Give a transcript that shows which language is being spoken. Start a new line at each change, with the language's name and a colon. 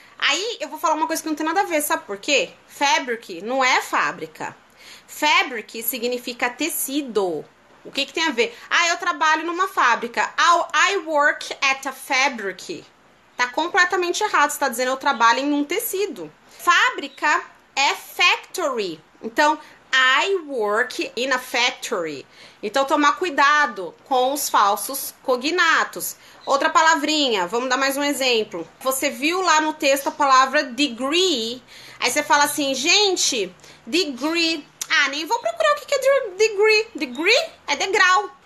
Portuguese: Aí eu vou falar uma coisa que não tem nada a ver, sabe por quê? Fabric não é fábrica. Fabric significa tecido. O que que tem a ver? Ah, eu trabalho numa fábrica.
English: I work at a fabric.
Portuguese: Tá completamente errado. Você tá dizendo eu trabalho em um tecido. Fábrica é factory. Então,
English: I work in a factory.
Portuguese: Então, tomar cuidado com os falsos cognatos. Outra palavrinha, vamos dar mais um exemplo. Você viu lá no texto a palavra degree. Aí você fala assim, gente, degree. Ah, nem vou procurar o que é degree. Degree é degrau.